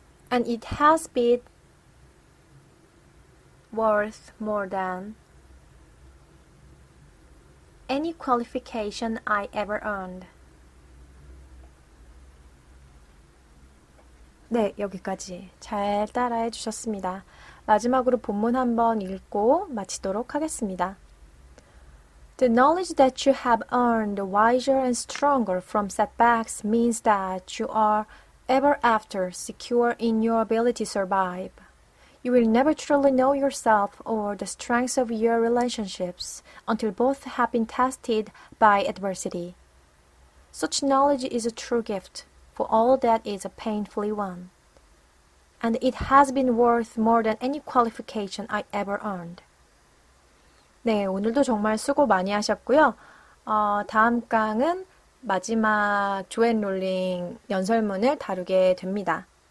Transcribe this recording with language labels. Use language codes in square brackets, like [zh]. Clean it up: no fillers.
[en] And it has been worth more than any qualification I ever earned. [ko] 네, 여기까지 잘 따라해 주셨습니다. 마지막으로 본문 한번 읽고 마치도록 하겠습니다. [en] The knowledge that you have earned wiser and stronger from setbacks means that you are ever after secure in your ability to survive. You will never truly know yourself or the strengths of your relationships until both have been tested by adversity. Such knowledge is a true gift for all that is painfully won. And it has been worth more than any qualification I ever earned. [ko] 네, 오늘도 정말 수고 많이 하셨고요. 다음 강은 마지막 조앤 롤링 연설문을 다루게 됩니다.